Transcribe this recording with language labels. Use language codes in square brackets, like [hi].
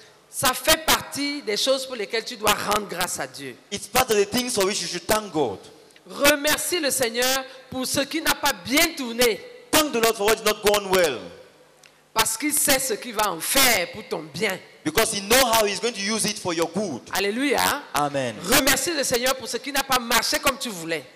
[fr] Ça fait partie des choses pour lesquelles tu dois rendre grâce à Dieu. [en] It's part of the things for which you should thank God. [fr] Remercie le Seigneur pour ce qui n'a pas bien tourné. [en] Thank the Lord for what's not gone well. [fr] Parce qu'il sait ce qu'il va en faire pour ton bien. [en] Because he knows how he's going to use it for your good. [fr] Alléluia. Amen. Remercie le Seigneur pour ce qui n'a pas marché comme tu voulais.